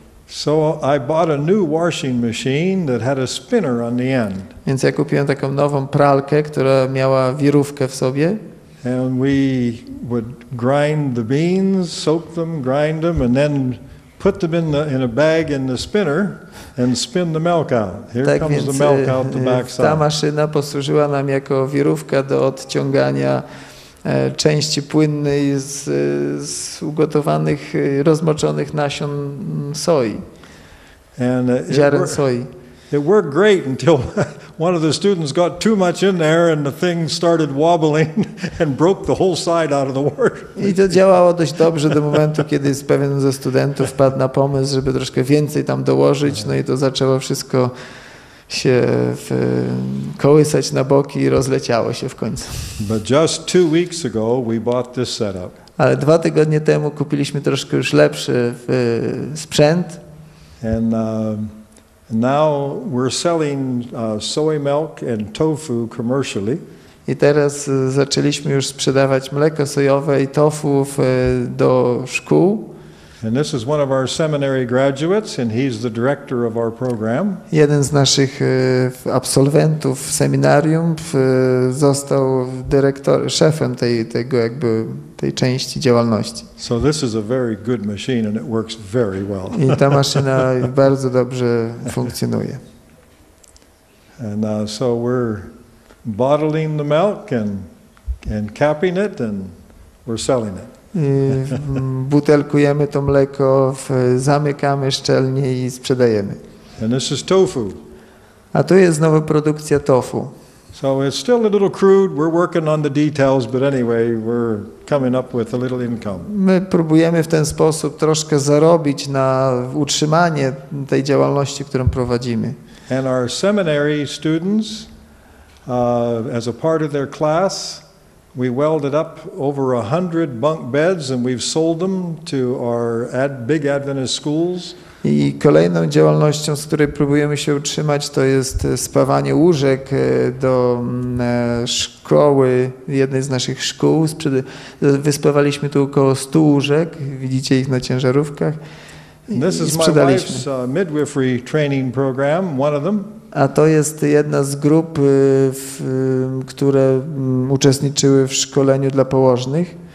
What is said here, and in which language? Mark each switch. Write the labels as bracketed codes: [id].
[en] So I bought a new washing machine that had a spinner on the end. [pl] Więc ja kupiłem taką nową pralkę, która miała wirówkę w sobie. [en] And we would grind the beans, soak them, grind them, and then put them in a bag in the spinner and spin the milk out. Here [pl] tak [en] comes [pl] więc, [en] the milk out the backside. [pl] Ta maszyna posłużyła nam jako wirówka do odciągania części płynnej z ugotowanych, rozmoczonych nasion soi, ziaren soi. [en] It worked great until one of the students got too much in there and the thing started wobbling and broke the whole side out of the work. [pl] I to działało dość dobrze do momentu, kiedy pewien ze studentów wpadł na pomysł, żeby troszkę więcej tam dołożyć, no i to zaczęło wszystko się kołysać na boki i rozleciało się w końcu. [en] But just 2 weeks ago we bought this setup. [pl] Ale dwa tygodnie temu kupiliśmy troszkę już lepszy sprzęt. [en] And now we're selling soy milk and tofu commercially. [pl] I teraz zaczęliśmy już sprzedawać mleko sojowe i tofu do szkół. [en] And this is one of our seminary graduates, and he's the director of our program. [pl] Jeden z naszych absolwentów seminarium został dyrektorem, szefem tej części działalności. [en] So this is a very good machine, and it works very well. [pl] I ta maszyna bardzo dobrze funkcjonuje. [en] And so we're bottling the milk and capping it, and we're selling it. [pl] Butelkujemy to mleko, zamykamy szczelnie i sprzedajemy. [en] And this is tofu. [pl] A tu jest znowu produkcja tofu. [en] So it's still a little crude. We're working on the details, but anyway, we're coming up with a little income. [pl] My próbujemy w ten sposób troszkę zarobić na utrzymanie tej działalności, którą prowadzimy. [en] And our seminary students, as a part of their class, we welded up over 100 bunk beds and we've sold them to our big Adventist schools. [pl] I kolejną działalnością, z której próbujemy się utrzymać, to jest spawanie łóżek do szkoły, jednej z naszych szkół. Wyspawaliśmy tu około 100 łóżek, widzicie ich na ciężarówkach. [en] This is my wife's midwifery training program, one of them. [pl] A to jest jedna z grup, które uczestniczyły w szkoleniu dla położnych.